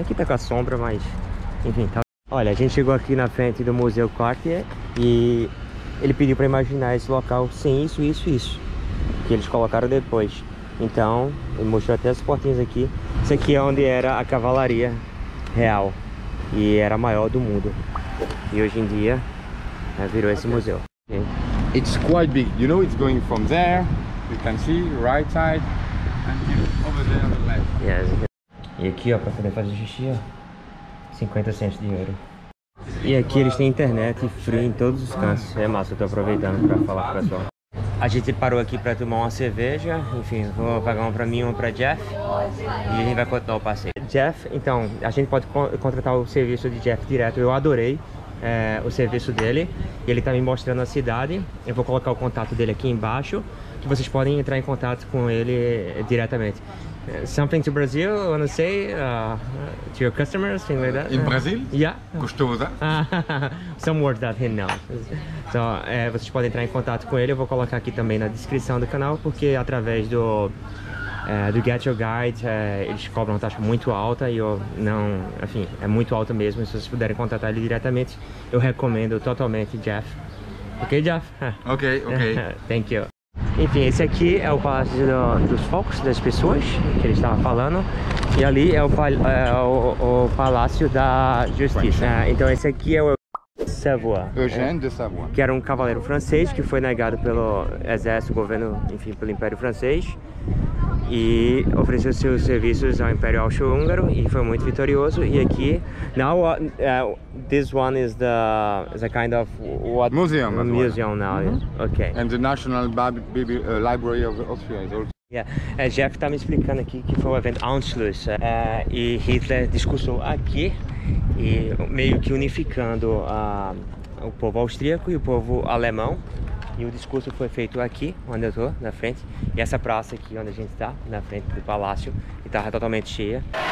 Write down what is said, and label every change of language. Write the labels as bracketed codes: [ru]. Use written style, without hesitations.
[pt] Aqui tá com a sombra, mas enfim. Tá. Olha, a gente chegou aqui na frente do Museu Cartier e ele pediu pra imaginar esse local sem isso, isso e isso, que eles colocaram depois. Então, ele mostrou até as portinhas aqui. Isso aqui é onde era a cavalaria real e era a maior do mundo. E hoje em dia, virou esse museu. [en] It's quite big. You know, it's going from there. You can see right side and over there on the left. Yes. [pt] E aqui, ó, para poder fazer xixi, ó, 50 centos de euro. E aqui eles têm internet free em todos os cantos. É massa, eu tô aproveitando para falar para só. A gente parou aqui para tomar uma cerveja, enfim, vou pagar uma para mim e uma para Jeff e a gente vai contar o passeio. Jeff, então, a gente pode contratar o serviço de Jeff direto, eu adorei o serviço dele. Ele tá me mostrando a cidade, eu vou colocar o contato dele aqui embaixo, que vocês podem entrar em contato com ele diretamente. [en] Something to Brazil, I want to say to your customers, something like that. In Brazil? Yeah. [pt] Gostoso. [en] Some words that he knows. [pt] Então, vocês podem entrar em contato com ele. Eu vou colocar aqui também na descrição do canal, porque através do do Get Your Guide, eles cobram uma taxa muito alta e eu não, enfim, é muito alta mesmo. Se vocês puderem contratar ele diretamente, eu recomendo totalmente, Jeff. Ok, Jeff? Ok, ok. [en] Thank you. [pt] Enfim, esse aqui é o palácio dos focos, das pessoas, que ele estava falando. E ali é o palácio da justiça. Então esse aqui é o Savoie. Eugène de Savoie. Que era um cavaleiro francês que foi negado pelo exército, governo, enfim, pelo Império Francês. E ofereceu seus serviços ao Império Austro-Húngaro e foi muito vitorioso. E aqui, [en] now this one is the kind of what museum, museum now. Mm-hmm. Okay. And the National Library of Austria is also. Yeah. [pt] Jeff está me explicando aqui que foi o evento Anschluss e Hitler discursou aqui e meio que unificando o povo austríaco e o povo alemão. E o discurso foi feito aqui, onde eu estou, na frente. E essa praça aqui, onde a gente está, na frente do palácio, que estava totalmente cheia.